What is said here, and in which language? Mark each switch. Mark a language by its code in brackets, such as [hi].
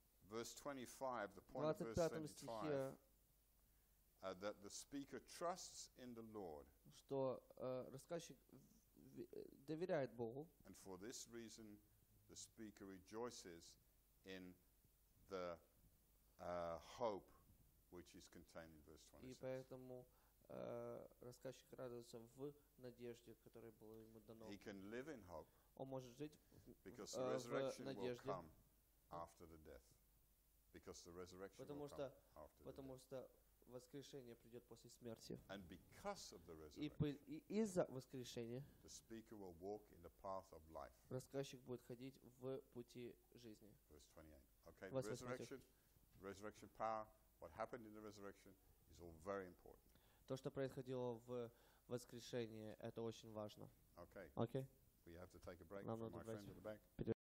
[en] Verse 25, the point of verse 25, that the speaker trusts in the Lord. [ru] Что рассказчик доверяет Богу. [en] And for this reason, the speaker rejoices in the hope which is contained in verse 26. [ru] И поэтому рассказчик радуется в надежде, которая была ему дана. [en] He can live in hope. [ru] Он может жить в надежде. [en] Because the resurrection will come after the death. Because the resurrection [ru] потому [en] will come after the death. [ru] Потому что воскрешение придет после смерти. [en] And because of the resurrection, [ru] и из-за воскрешения, [en] the speaker will walk in the path of life. [ru] Рассказчик будет ходить в пути жизни. [en] Verse 28. Okay, the resurrection, resurrection power, what happened in the resurrection is all very important. [ru] То, что происходило в воскрешении, это очень важно. [en] Okay. Okay. We have to take a break from my friend in the back.